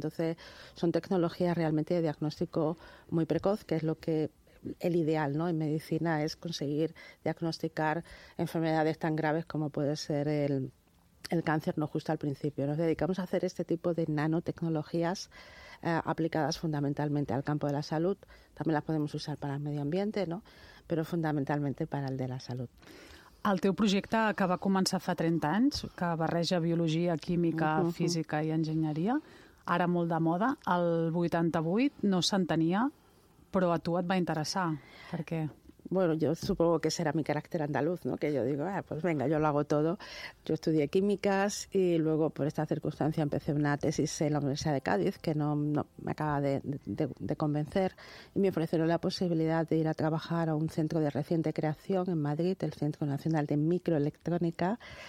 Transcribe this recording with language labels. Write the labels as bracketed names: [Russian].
[Spanish] Entonces, son tecnologías realmente de diagnóstico muy precoz, que es lo que el ideal, ¿no?, en medicina, es conseguir diagnosticar enfermedades tan graves como puede ser el cáncer, no justo al principio. Nos dedicamos a hacer este tipo de nanotecnologías aplicadas fundamentalmente al campo de la salud. También las podemos usar para el medio ambiente, ¿no?, [Catalan] però fundamentalment per al de la salut. El teu projecte, que va començar fa 30 anys, que barreja biologia, química, física i enginyeria, ara molt de moda, el 88 no s'entenia, però a tu et va interessar. Per què? [Spanish] Bueno, yo supongo que será mi carácter andaluz, ¿no? Que yo digo, pues venga, yo lo hago todo. Yo estudié químicas y luego por esta circunstancia empecé una tesis en la Universidad de Cádiz que no me acaba de convencer, y me ofrecieron la posibilidad de ir a trabajar a un centro de reciente creación en Madrid, el Centro Nacional de Microelectrónica.